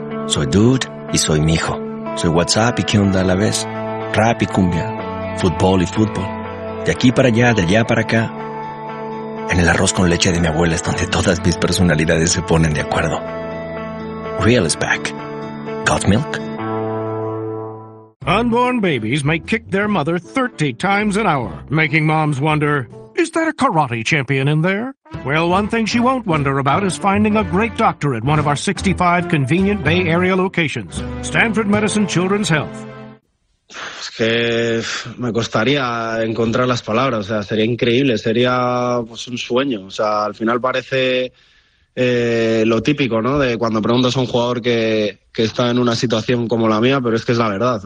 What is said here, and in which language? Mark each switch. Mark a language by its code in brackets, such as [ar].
[es] Soy dude y soy mijo. Soy WhatsApp y qué onda a la vez. Rap y cumbia. Fútbol y fútbol. De aquí para allá, de allá para acá. En el arroz con leche de mi abuela es donde todas mis personalidades se ponen de acuerdo. [en] Real is back. Got milk? Unborn babies may kick their mother 30 times an hour, making moms wonder, is that a karate champion in there? Well, one thing she won't wonder about is finding a great doctor at one of our 65 convenient Bay Area locations. Stanford Medicine Children's Health. [es] Es que me costaría encontrar las palabras, o sea, sería increíble, sería pues un sueño, o sea, al final parece lo típico, ¿no? De cuando preguntas a un jugador que está en una situación como la mía, pero es que es la verdad.